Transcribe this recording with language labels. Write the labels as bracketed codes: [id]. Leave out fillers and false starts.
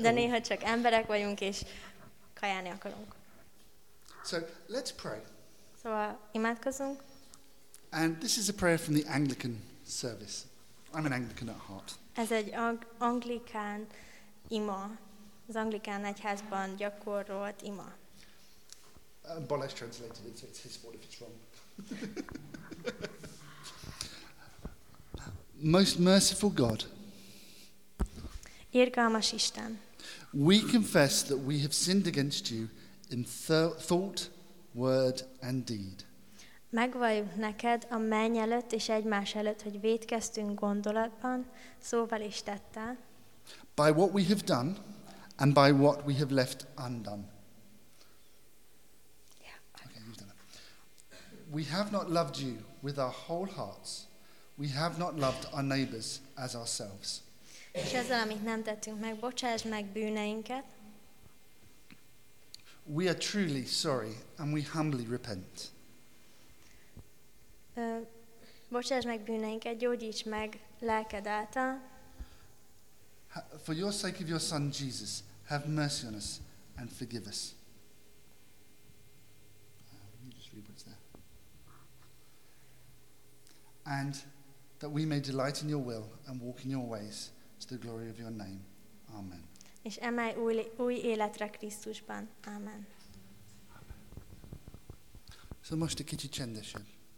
[hu] de néha csak emberek vagyunk és kajálni akarunk. [en] So let's pray. [hu] Szóval imádkozunk. [en] And this is a prayer from the Anglican service. I'm an Anglican at heart. [hu] Ez egy anglikán ima, az anglikán egyházban gyakorolt ima. [en] Bolesh translated it, so it's his word if it's wrong. Most merciful God, [hu] irgalmas Isten, [en] we confess that we have sinned against you in thought, word and deed. [hu] Megvalljuk neked a menny előtt és egymás előtt, hogy vétkeztünk gondolatban, szóval és tettel. [en] by what we have done and by what we have left undone. Yeah. Okay, you've done it. We have not loved you with our whole hearts. We have not loved our neighbors as ourselves. [hu] És ezzel, amit nem tettünk meg, bocsáss meg bűneinket. [en] We are truly sorry and we humbly repent. [hu] Bocsáss meg bűneinket, gyógyíts meg lelked által. [en] For your sake of your son Jesus, have mercy on us and forgive us. And that we may delight in your will and walk in your ways to the glory of your name. Amen. [hu] És emelj új életre Krisztusban. Amen. So most a kicsit csendesebb.